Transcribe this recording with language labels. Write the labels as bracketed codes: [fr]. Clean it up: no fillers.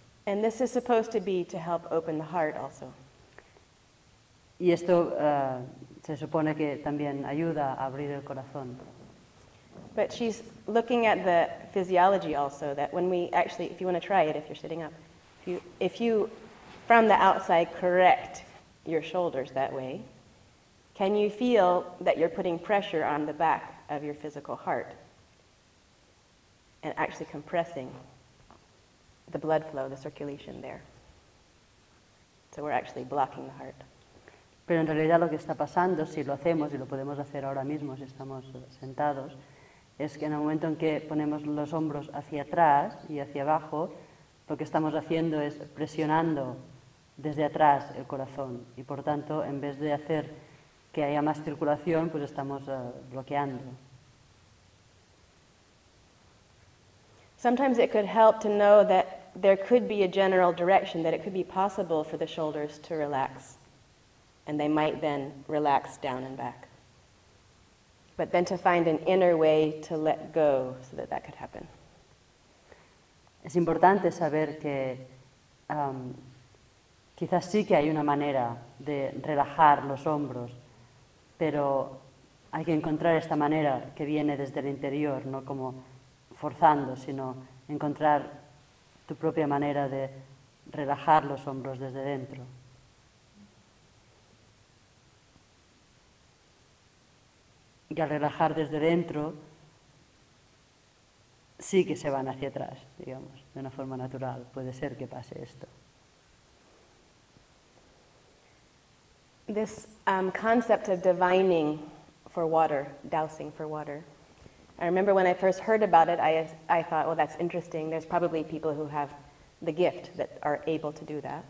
[en] And this is supposed to be to help open the heart also. [es] Y esto se supone que también ayuda a abrir el corazón. [en] But she's looking at the physiology also, that when we actually, if you want to try it, if you're sitting up, if you from the outside correct your shoulders that way, can you feel that you're putting pressure on the back of your physical heart and actually compressing the blood flow, the circulation there? So we're actually blocking the heart. [es] Pero en realidad lo que está pasando, si lo hacemos y lo podemos hacer ahora mismo si estamos sentados, es que en el momento en que ponemos los hombros hacia atrás y hacia abajo, lo que estamos haciendo es presionando desde atrás el corazón y por tanto, en vez de hacer que haya más circulación, pues estamos bloqueando. [en] Sometimes it could help to know that there could be a general direction, that it could be possible for the shoulders to relax, and they might then relax down and back. But then to find an inner way to let go so that that could happen. [es] Es importante saber que quizás sí que hay una manera de relajar los hombros, pero hay que encontrar esta manera que viene desde el interior, no como forzando, sino encontrar tu propia manera de relajar los hombros desde dentro. Y al relajar desde dentro, sí que se van hacia atrás, digamos, de una forma natural. Puede ser que pase esto. [en] This concept of divining for water, dousing for water. I remember when I first heard about it, I thought, well, that's interesting. There's probably people who have the gift that are able to do that.